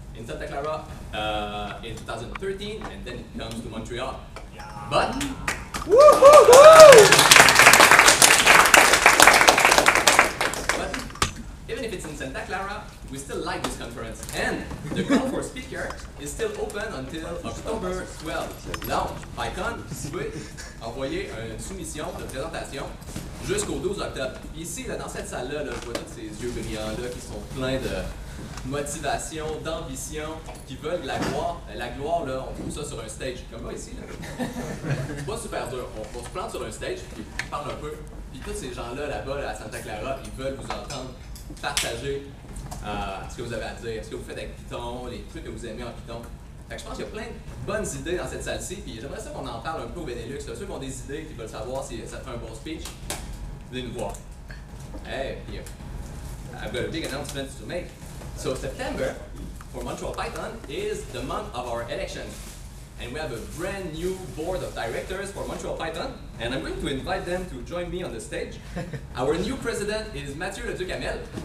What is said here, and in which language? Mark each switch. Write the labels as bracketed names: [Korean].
[English] In Santa Clara in 2013, and then it comes to Montreal. Yeah. But but even if it's in Santa Clara, we still like this conference, and the call for speaker is still open until October 12th. [French] Now, PyCon, vous pouvez envoyer une soumission de présentation jusqu'au 12 octobre. Ici, là, dans cette salle-là, là, je vois tous ces yeux brillants-là qui sont pleins de motivation, d'ambition, qui veulent de la gloire. La gloire, là, on trouve ça sur un stage, comme moi ici. Là. C'est pas super dur. On se plante sur un stage, puis on parle un peu. Puis tous ces gens-là, là-bas, là, à Santa Clara, ils veulent vous entendre partager ce que vous avez à dire, ce que vous faites avec Python, les trucs que vous aimez en Python. Fait que je pense qu'il y a plein de bonnes idées dans cette salle-ci, puis j'aimerais ça qu'on en parle un peu au Benelux. Ceux qui ont des idées, qui veulent savoir si ça fait un bon speech, venez nous voir. [English] Hey, I've got a big announcement to make. So September for Montreal Python is the month of our election. And we have a brand new board of directors for Montreal Python, and I'm going to invite them to join me on the stage. Our new president is Mathieu Le Duc-Amel.